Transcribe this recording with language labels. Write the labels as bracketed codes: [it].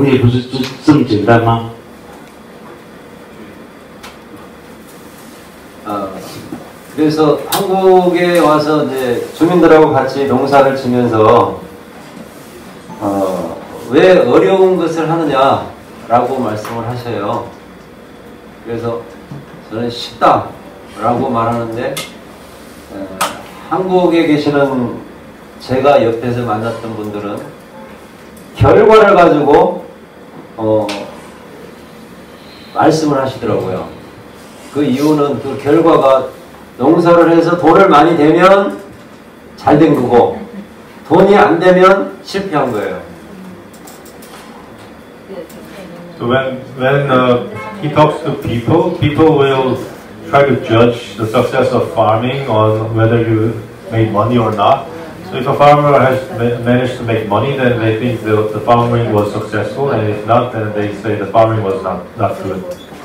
[zh] 他说：“为什么他觉得说农业真的很简单？就是因为当你把种子播下，然后它萌芽、茁壮，啊，长大，又结了果实，又掉下来，又是另外一个循环。农业不是这么简单吗？” [ko] 그래서 한국에 와서 이제 주민들하고 같이 농사를 지면서. 왜 어려운 것을 하느냐라고 말씀을 하셔요. 그래서 저는 쉽다라고 말하는데 한국에 계시는 제가 옆에서 만났던 분들은 결과를 가지고 말씀을 하시더라고요. 그 이유는 그 결과가 농사를 해서 돈을 많이 대면 잘 된 거고 돈이 안 되면 실패한 거예요. [en] So when he talks to people, people will try to judge the success of farming on whether you made money or not. So if a farmer has managed to make money, then they think the farming was successful, and if not, then they say the farming was not good.